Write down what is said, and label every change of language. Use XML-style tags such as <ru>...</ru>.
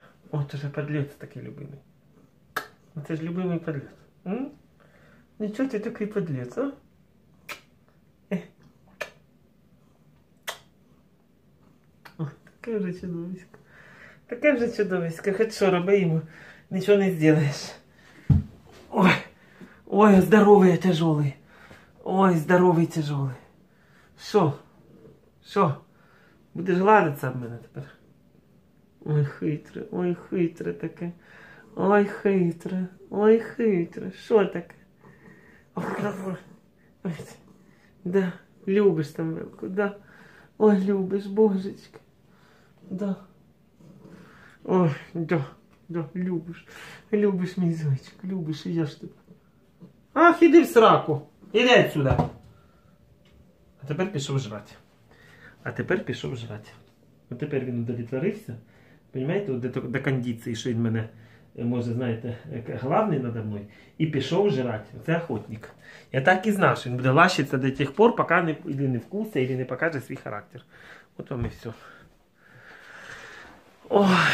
<uk>От уже подлец такий любимий. Це ж любимий подлец. Ну чого ти такий подлец, а? Таке вже чудовисько. Таке вже чудовисько. Хоч що робимо, нічого не зробиш. Ой, ой, здоровий я тяжелий. Ой, здоровий тяжелий. Що? Що? Будеш гладитися в мене тепер? Ой, хитре, ой, хитре таке. Ой, хитре, ой, хитре. Що таке? Ой, да, любиш там велику, да. Ой, любиш, божечка. Да. Ой, да, да, любиш. Любиш, мій зайчик, любиш, і я ж тебе. Ах, іди в сраку. Іди отсюда. А тепер пішов жрати. А тепер пішов жрати. А тепер він удовлетворився.</uk> <ru>Понимаете, вот до кондиции, что он мене, может, знаете, главный надо мной, и</ru> <uk>пішов жрать.</uk> <ru>Это охотник. Я так и знал, что он будет лащиться до тех пор, пока не, или не вкусит, или не покажет свой характер. Вот вам и все. Ой.</ru>